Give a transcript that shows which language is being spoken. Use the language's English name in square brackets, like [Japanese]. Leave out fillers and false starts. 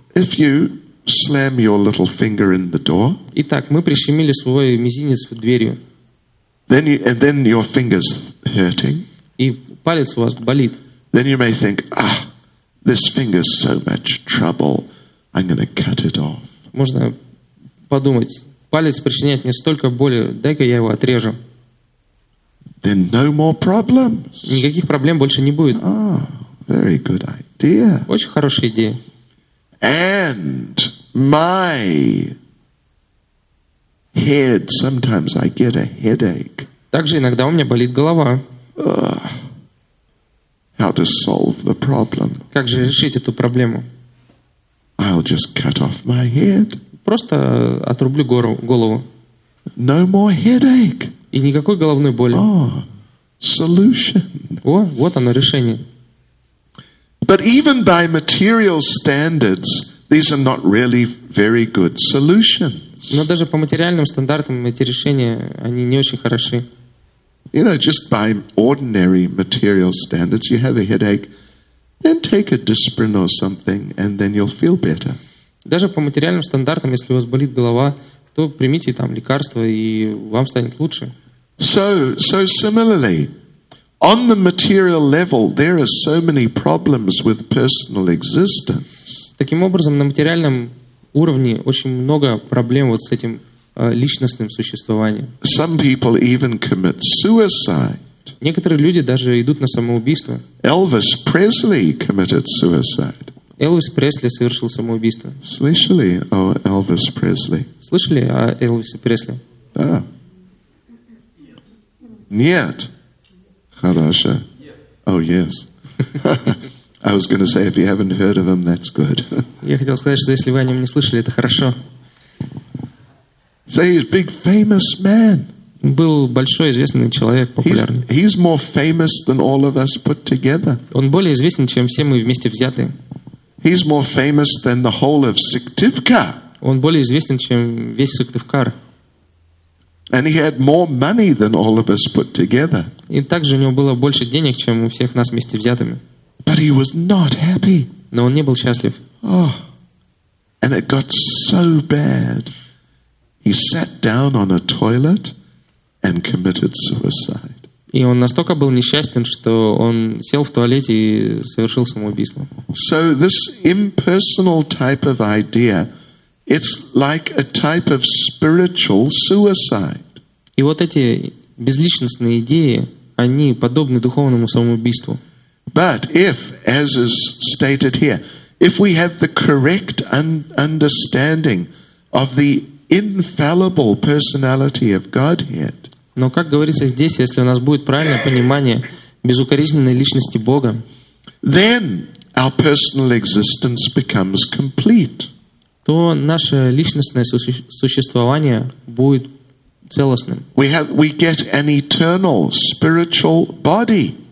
[English] If you slam your little finger in the door. [Russian] Итак, мы прищемили свой мизинец в дверью. [English] Then you, and then your finger's hurting. [Russian] И палец у вас болит. [English] Then you may think, ah, this finger's so much trouble. I'm going to cut it off. [Russian] Можно подумать. Палец причиняет мне столько боли, дай-ка я его отрежу. [English] Then no more problems. [Russian] Никаких проблем больше не будет. [English] Oh, very good idea. [Russian] Очень хорошая идея. [English] And my head, sometimes I get a headache. [Russian] Также иногда у меня болит голова. [English] How to solve the problem? [Russian] Как же решить эту проблему? [English] I'll just cut off my head. [Russian] Просто отрублю голову. [English] No more headache. [Russian] И никакой головной боли. [English] Oh, solution. [Russian] О, вот оно решение. [English] But even by material standards, these are not really very good solutions. [Russian] Но даже по материальным стандартам эти решения они не очень хороши. [English] You know, just by ordinary material standards, you have a headache, then take a Disprin or something, and then you'll feel better. [Russian] Даже по материальным стандартам, если у вас болит голова, то примите там лекарство, и вам станет лучше. [English] So similarly, on the material level, there are so many problems with personal existence. [Russian] Таким образом, на материальном уровне очень много проблем вот с этим личностным существованием. [English] Some people even commit suicide. [Russian] Некоторые люди даже идут на самоубийство. [English] Elvis Presley committed suicide. [Russian] Элвис Пресли совершил самоубийство. Слышали о Элвисе Пресли? Слышали о Элвисе Пресли? Да. Нет. Хорошо. О, [English] oh, yes. I was going to say, if you haven't heard of him, that's good. [Russian] Я хотел сказать, что если вы о нем не слышали, это хорошо. [English] So he's a big famous man. [Russian] Был большой известный человек, популярный. [English] He's more famous than all of us put together. [Russian] Он более известен, чем все мы вместе взятые. [English] He's more famous than the whole of Syktyvkar. [Russian] Он более известен, чем весь Сыктывкар. [English] And he had more money than all of us put together. [Russian] И также у него было больше денег, чем у всех нас вместе взятыми. [English] But he was not happy. [Russian] Но он не был счастлив. [English] Oh. And it got so bad. He sat down on a toilet and committed suicide. [Russian] И он настолько был несчастен, что он сел в туалете и совершил самоубийство. [English] So this impersonal type of idea, it's like a type of spiritual suicide. [Russian] И вот эти безличностные идеи, они подобны духовному самоубийству. [English] But if, as is stated here, if we have the correct understanding of the infallible personality of Godhead, [Russian] но как говорится здесь, если у нас будет правильное понимание безукоризненной личности Бога, [English] then our personal existence becomes complete. [Russian] То наше личностное существование будет целостным. [English] We get an eternal spiritual body.